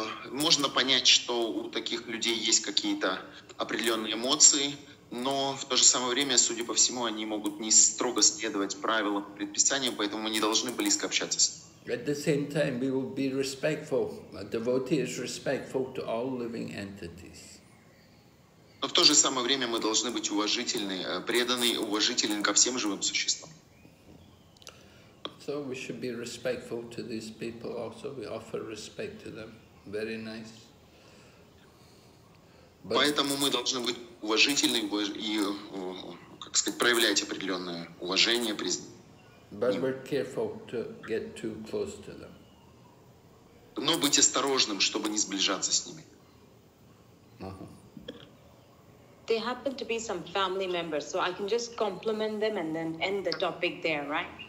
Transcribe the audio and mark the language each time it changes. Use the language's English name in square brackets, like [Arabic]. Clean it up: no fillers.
[Russian] можно понять, что у таких людей есть какие-то определенные эмоции, но в то же самое время, судя по всему, они могут не строго следовать правилам предписания, поэтому не должны близко общаться с ними. [English] At the same time, we will be respectful. A devotee is respectful to all living entities. [Russian] Но в то же самое время мы должны быть уважительны, преданны, уважительны ко всем живым существам. [English] So we should be respectful to these people also. We offer respect to them. Very nice. [Russian] But поэтому мы должны быть уважительны и, как сказать, проявлять определенное уважение, [English] But we're careful to get too close to them. [Russian] Но быть осторожным, чтобы не сближаться с ними. [English] They happen to be some family members, so I can just compliment them and then end the topic there, right?